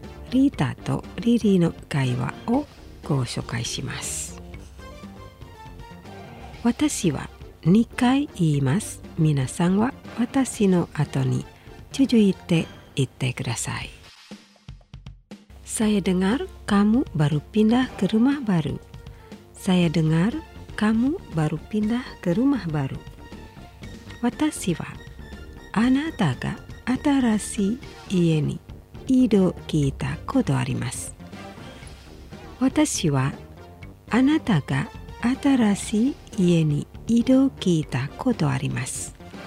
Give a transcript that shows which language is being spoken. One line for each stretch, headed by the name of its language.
Japanese: リータとリリーの会話をご紹介します。私は2回言います。皆さんは私の後に続いて言ってください。
Indonesian: Saya dengar kamu baru pindah ke rumah baru. Saya dengar kamu baru pindah ke rumah baru.
Japanese: 私はあなたが新しい家に移動聞いたことあります。私はあなたが新しい家に移動聞いたことあります。